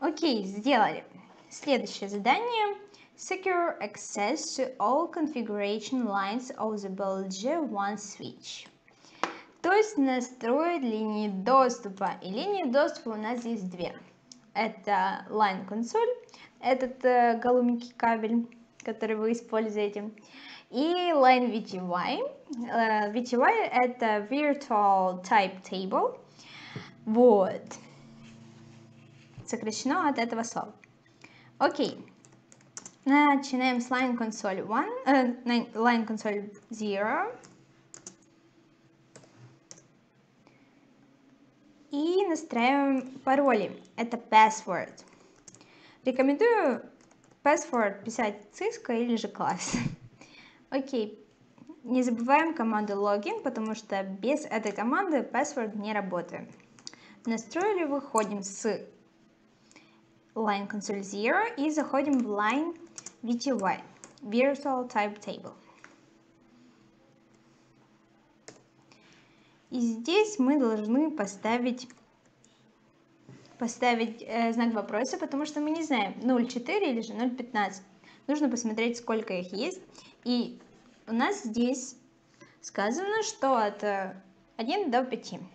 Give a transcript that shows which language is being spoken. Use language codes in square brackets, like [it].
[ru] Окей, сделали. Следующее задание. [en] Secure access to all configuration lines of the bulge 1 switch. [ru] То есть настроить линии доступа. И линии доступа у нас здесь две. Это line console, этот голубенький кабель, который вы используете. [en] И line VTY. VTY это virtual type table. [ru] Вот. Сокращено от этого слова. Окей. Начинаем с line console 1. [en] Line console 0. [ru] И настраиваем пароли. Это password. Рекомендую password писать Cisco или же класс. Окей. Не забываем команду login, потому что без этой команды password не работает. Настроили, выходим с line console 0 и заходим в line VTY, virtual type table. И здесь мы должны поставить знак вопроса, потому что мы не знаем, 0.4 или же 0.15. Нужно посмотреть, сколько их есть. И у нас здесь сказано, что от 1 до 5.